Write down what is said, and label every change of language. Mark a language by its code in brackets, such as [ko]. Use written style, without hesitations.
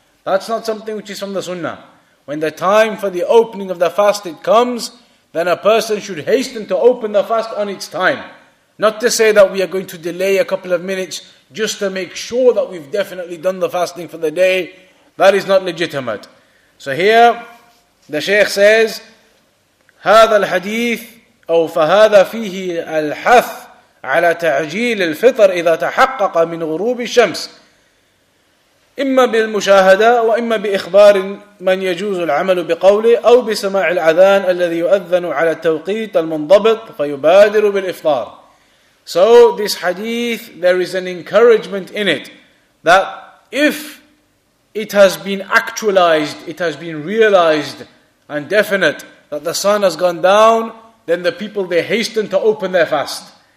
[en] That's not something which is from the sunnah. When the time for the opening of the fast it comes, then a person should hasten to open the fast on its time. Not to say that we are going to delay a couple of minutes just to make sure that we've definitely done the fasting for the day. That is not legitimate. So here, the Shaykh says, [ar] هذا الحديث أو فهذا فيه الحث على تعجيل الفطر إذا تحقق من غروب الشمس إما بالمشاهدة وإما بإخبار من يجوز العمل بقوله أو بسماع الأذان الذي يؤذن على التوقيت المنضبط فيبادر بالإفطار. [en] So this hadith, there is an encouragement in it that if it has been actualized, it has been realized and definite that the sun has gone down, then the people, they hasten to open their fast.